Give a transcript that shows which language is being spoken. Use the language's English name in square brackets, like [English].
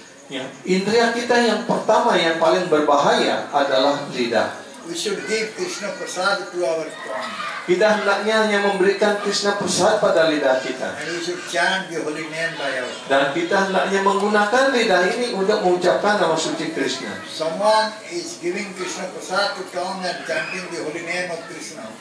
[Indonesian] Ya, indria kita yang pertama yang paling berbahaya adalah lidah. [English] We should give Krishna prasad to our tongue. [Indonesian] Kita hendaknya hanya memberikan Krishna prasad pada lidah kita. [English] And we should chant the holy name by our tongue. [Indonesian] Dan kita hendaknya menggunakan lidah ini untuk mengucapkan nama suci Krishna. [English] Someone is giving Krishna prasad to tongue and chanting the holy name of Krishna.